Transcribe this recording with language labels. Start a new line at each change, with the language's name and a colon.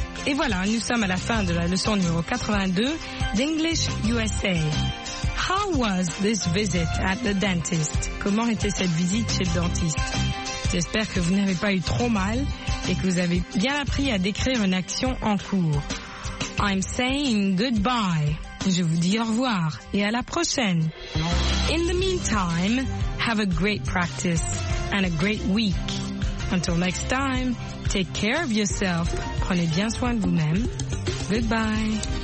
French: Et voilà, nous sommes à la fin de la leçon numéro 82 d'English USA.
English: How was this visit at the dentist?
French: Comment était cette visite chez le dentiste? J'espère que vous n'avez pas eu trop mal et que vous avez bien appris à décrire une action en cours.
English: I'm saying goodbye.
French: Je vous dis au revoir et à la prochaine.
English: In the meantime, have a great practice and a great week. Until next time, take care of yourself.
French: Prenez bien soin de vous-même.
English: Goodbye.